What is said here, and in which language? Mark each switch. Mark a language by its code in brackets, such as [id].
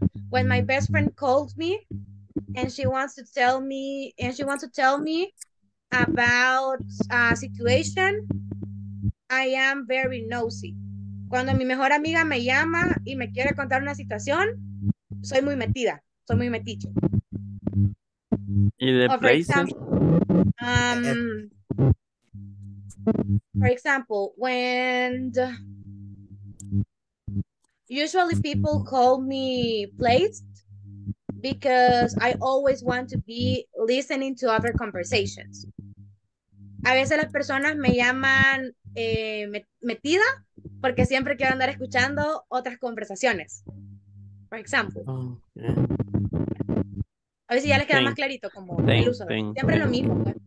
[en] When my best friend calls me and she wants to tell me about a situation, I am very nosy. [es] Cuando mi mejor amiga me llama y me quiere contar una situación, soy muy metida, soy muy metiche. ¿Y the [en] for example, when the, usually people call me placed because I always want to be listening to other conversations. [es] A veces las personas me llaman metida porque siempre quiero andar escuchando otras conversaciones. [en] For example. Okay. [es] A ver si ya les queda más clarito como el uso. Siempre lo mismo.